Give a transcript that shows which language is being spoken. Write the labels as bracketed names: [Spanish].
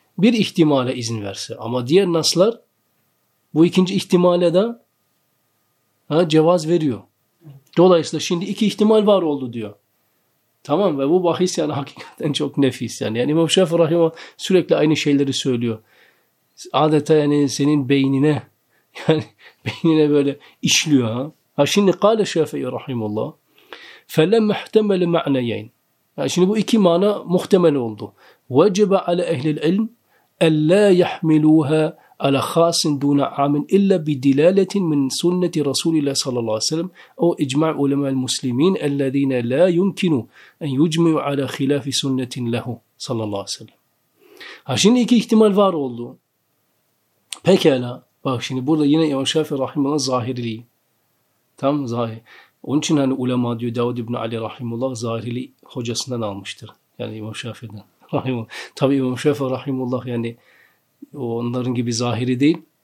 [Turkish] Bir ihtimale izin verse. Ama diğer naslar bu ikinci ihtimale de cevaz veriyor. Dolayısıyla şimdi iki ihtimal var oldu diyor. Tamam ve bu bahis yani hakikaten çok nefis. Yani İmam Şafii Rahimahullah sürekli aynı şeyleri söylüyor. Adeta yani senin beynine yani beynine böyle işliyor ha. Ha şimdi [Arabic] قال الشافعي رحمه الله فلما احتمل معنيين. [Turkish] Şimdi bu iki mana muhtemel oldu. [Arabic] وجب على اهل العلم الا يحملوها على خاص دون عام الا بدلاله من سنه رسول الله صلى الله عليه وسلم او اجماع علماء المسلمين الذين لا يمكن ان يجمعوا على خلاف سنه له صلى الله عليه وسلم. [Turkish] Ha şimdi iki ihtimal var oldu. Pekala. Bak şimdi burada yine İmam Şafii rahimehullah zahiri. Tam zahir. Onun için hani ulema diyor Davud İbni Ali Rahimullah zahiri hocasından almıştır. Yani İmam Şafii'den. Tabi İmam Şafii Rahimullah yani onların gibi zahiri değil.